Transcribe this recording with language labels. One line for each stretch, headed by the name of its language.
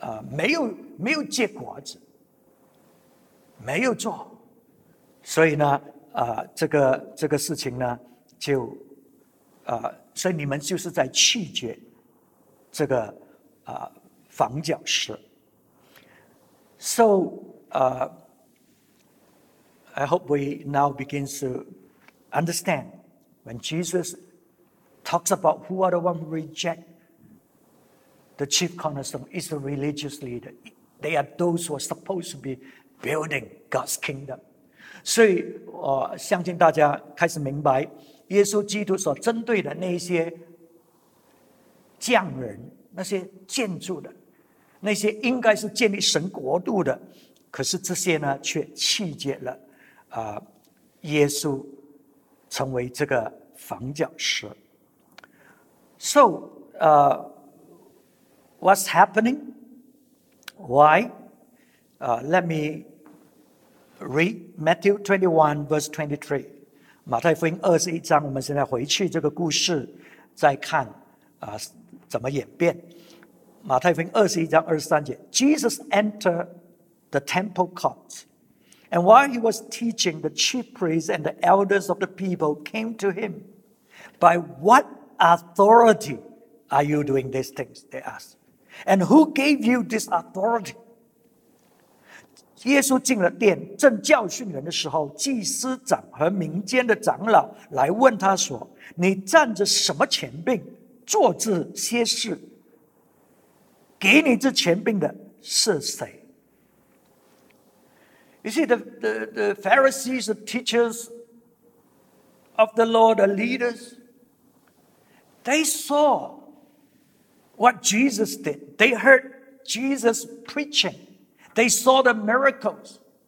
Chinese: 没有结果子，没有做，所以呢这个事情呢就所以你们就是在弃绝这个房角石。So
English: I hope we now begin to understand when Jesus talks about who are the ones who reject the chief cornerstone is the religious leader. They are those who are supposed to be building God's kingdom.
Chinese: 所以相信大家开始明白耶稣基督所针对的那些匠人那些建筑的那些应该是建立神国度的可是这些呢却弃绝了耶稣成为这个房角石。
English: So, what's happening? Why? Let me read Matthew 21, verse 23.
Chinese: 马太福音21章, 我们现在回去这个故事再看, 怎么演变。马太福音21章23节,
English: Jesus entered the temple court, and while he was teaching, the chief priests and the elders of the people came to him. By what authority are you doing these things? They asked. And who gave you this authority?
Chinese: 耶稣进了殿，正教训人的时候，祭司长和民间的长老来问他说：“你站着什么权柄，做这些事？给你这权柄的是谁？”
English: You see, the Pharisees, the teachers of the law, the leaders, they saw what Jesus did. They heard Jesus preaching. They saw the miracles.